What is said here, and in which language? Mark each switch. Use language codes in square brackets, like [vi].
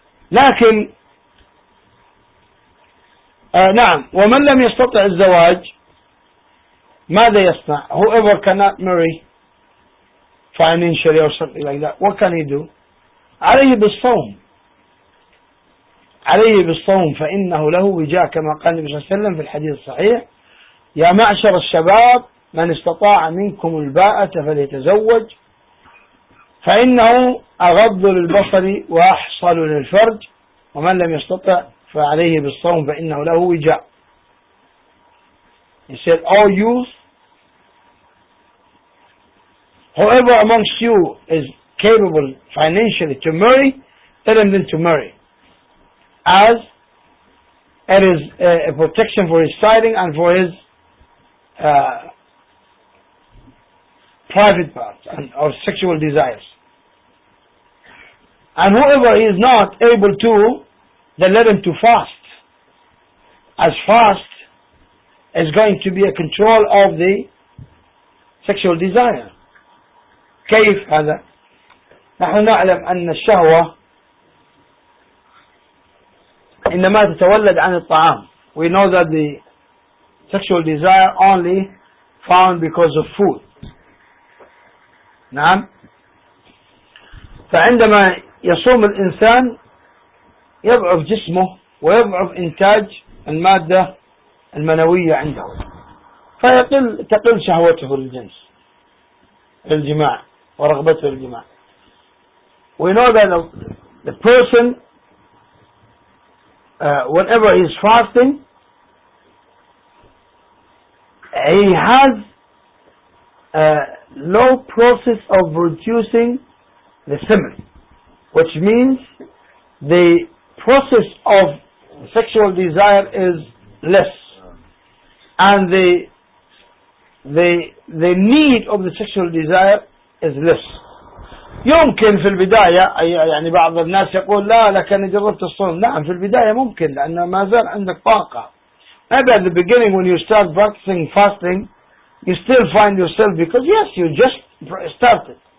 [ar] لكن نعم، ومن لم يستطع الزواج ماذا يصنع؟ [en] Whoever cannot marry financially or something like that, what can he do? [ar] عليه بالصوم. عليه بالصوم فإنه له وجاء، كما قال النبي صلى الله عليه وسلم في الحديث الصحيح: يا معشر الشباب، من استطاع منكم الباءة فليتزوج، فإنه أغض للبصر وأحصل للفرج، ومن لم يستطع فعليه بالصوم فإنه له وجاء. [en] He said, all youth, whoever amongst you is capable financially to marry, tell him then to marry, as it is a protection for his siding and for his private parts and or sexual desires. And whoever is not able to, then let him to fast, as fast is going to be a control of the sexual desire. [ar] كيف هذا؟ نحن نعلم أن الشهوة إنما تتولد عن الطعام. [en] We know that the sexual desire only found because of food. [ar] نعم. فعندما يصوم الإنسان يضعف جسمه ويضعف إنتاج المادة المنوية عنده، فيقل تقل شهوته للجنس للجماع ورغبته للجماع. [en] We know that the person whenever he is fasting he has a low process of reducing the semen, which means the process of sexual desire is less, and the need of the sexual desire is less. [ar] يمكن في البداية يعني بعض الناس يقول لا لكن جربت الصوم. نعم في البداية ممكن لأن ما زال عندك طاقة. [en] Maybe at the beginning when you start practicing fasting you still find yourself, because yes, you just started.